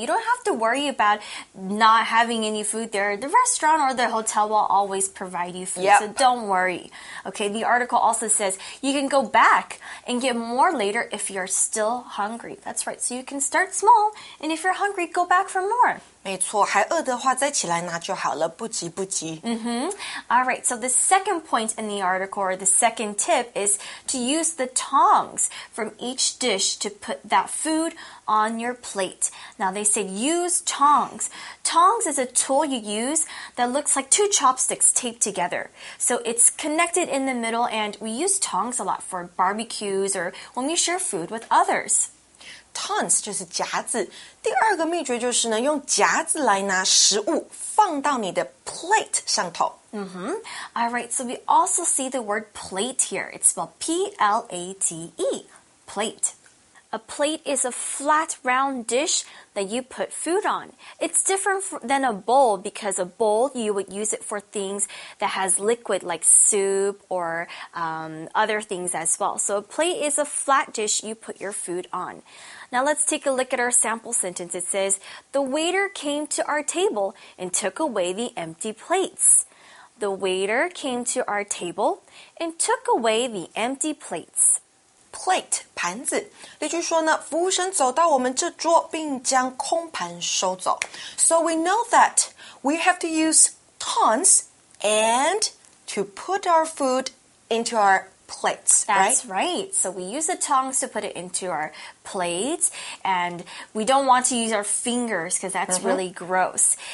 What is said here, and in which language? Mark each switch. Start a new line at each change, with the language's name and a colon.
English: You don't have to worry about not having any food there. The restaurant or the hotel will always provide you food. Yep. So don't worry. Okay, the article also says you can go back and get more later if you're still hungry. That's right. So you can start small and if you're hungry, go back for more.
Chinese: 没错，还饿的话再起来拿就好了，不急不急。
English: All right, so the second point in the article, or the second tip, is to use the tongs from each dish to put that food on your plate. Now, they said use tongs. Tongs is a tool you use that looks like two chopsticks taped together. So it's connected in the middle, and we use tongs a lot for barbecues or when we share food with others.
Chinese: Tongs 就是夹子。第二个秘诀就是呢，用夹子来拿食物放到你的 plate 上头。
English: All right, so we also see the word plate here. It's spelled P-L-A-T-E, plate. A plate is a flat, round dish that you put food on. It's different than a bowl because a bowl, you would use it for things that has liquid like soup or other things as well. So a plate is a flat dish you put your food on. Now let's take a look at our sample sentence. It says, the waiter came to our table and took away the empty plates. The waiter came to our table and took away the empty plates.
Chinese: plate, 盘子。例句说呢，服务生走到我们这桌并将空盘收走。
English: So we know that we have to use tongs and to put our food into our plates, right? That's right. So we use the tongs to put it into our plates and we don't want to use our fingers because that's really gross.